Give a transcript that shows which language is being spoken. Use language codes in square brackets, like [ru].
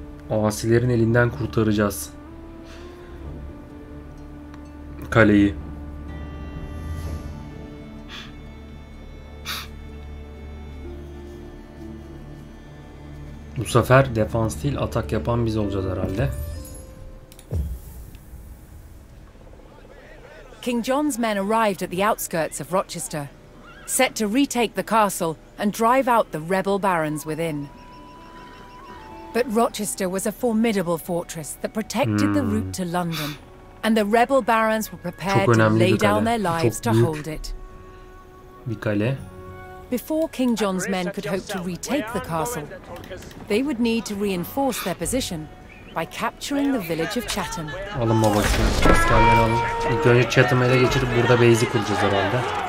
[tr] Asilerin elinden kurtaracağız kaleyi. Bu sefer defans değil atak yapan biz olacağız herhalde. [en] King John's men arrived at the outskirts of Rochester, set to retake the castle and drive out the rebel barons within. But Rochester was a formidable fortress that protected the route to London, and the rebel barons were prepared to lay down their lives to hold it. [tr] Bir kale. [en] Before King John's men could hope to retake the castle, they would need to reinforce their position by capturing the village of Chatham. [tr] Alın babası, askerleri alın. İlk önce Chatham'ı ele geçirip burada base'i kuracağız herhalde.